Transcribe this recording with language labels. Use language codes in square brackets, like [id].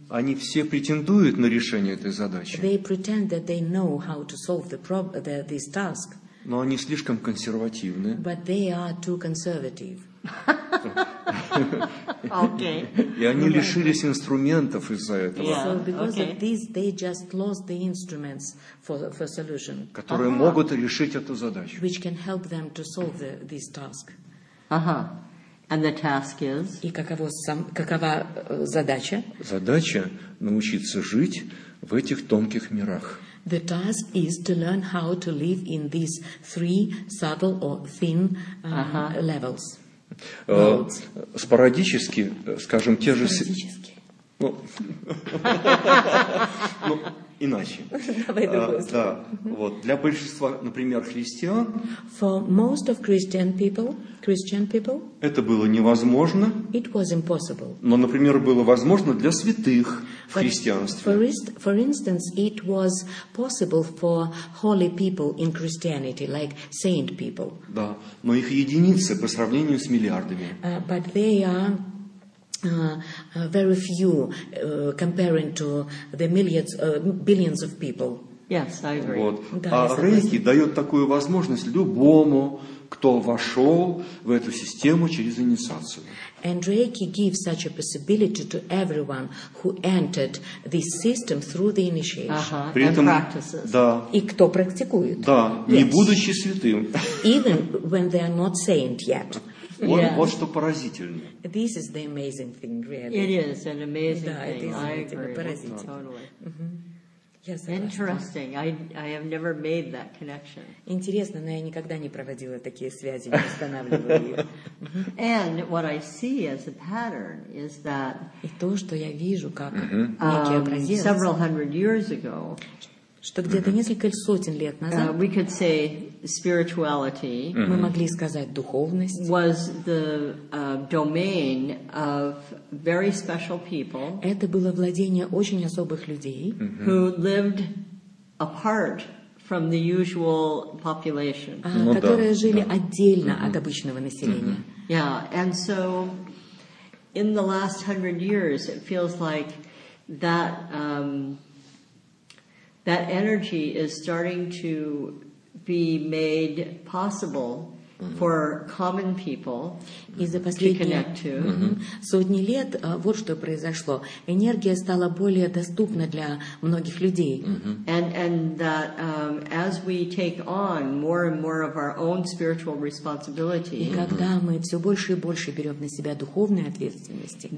[ru] они все претендуют на решение этой задачи. [en] They pretend that they know how to solve the problem, this task. [ru] Но они слишком консервативны. [en] But they are too conservative. Okay. [ru] И они лишились инструментов из-за этого. [en] Yeah. So because okay. of this, they just lost the instruments for solution. [ru] Которые uh-huh. могут решить эту задачу. [en] Which can help them to solve this task. Ага. And the task is? [ru] И какова задача? Задача научиться жить в этих тонких мирах. [en] The task is to learn how to live in these three subtle or thin uh-huh. levels. [ru] Спорадически, скажем, те же... Спорадически. Ну, иначе. Давай другую сторону. Да, вот, для большинства, например, христиан... [en] For most of Christian people... [ru] Это было невозможно. [en] It was impossible. [ru] Но, например, было возможно для святых в христианстве. [en] For instance, it was possible for holy people in Christianity, like saint people. [ru] Да, но их единицы по сравнению с миллиардами. [en] But they are... very few comparing to the millions, billions of people. Yes, I agree. [ru] Вот. А Рейки дает такую возможность любому, кто вошел в эту систему через инициацию. [en] And Reiki gives such a possibility to everyone who entered this system through the initiation. [ru] Ага, при этом, да. И кто практикует. Да, yes. Не будучи святым. [en] Even when they are not saint yet. Вот, yes. Вот что поразительно. This is the amazing thing, really. It is an amazing [ru] да, [en] thing. [ru] Да, [en] it is amazing. [ru] Поразительно. [en] Totally. Mm-hmm. Yes, interesting. I have never made that connection. [ru] Интересно, но я никогда не проводила такие связи, не устанавливала их. [en] And what I see as a pattern is that... [ru] И то, что я вижу как некий образец... [en] Several hundred years ago... [ru] Что где-то несколько сотен лет назад... [en] We could say... Spirituality [ru] мы могли сказать духовность [en] was the domain of very special people. [ru] Это было владение очень особых людей, [en] who lived apart from the usual population. [ru] Ну, которые да, жили да. отдельно от обычного населения. [en] Yeah, and so in the last 100 years it feels like that that energy is starting to be made possible for common people to connect to. [ru] Сотни лет, вот что произошло. Энергия стала более доступна для многих людей. [en] And that as we take on more and more of our own spiritual responsibility, [ru] и когда мы все больше и больше берем на себя духовные ответственности,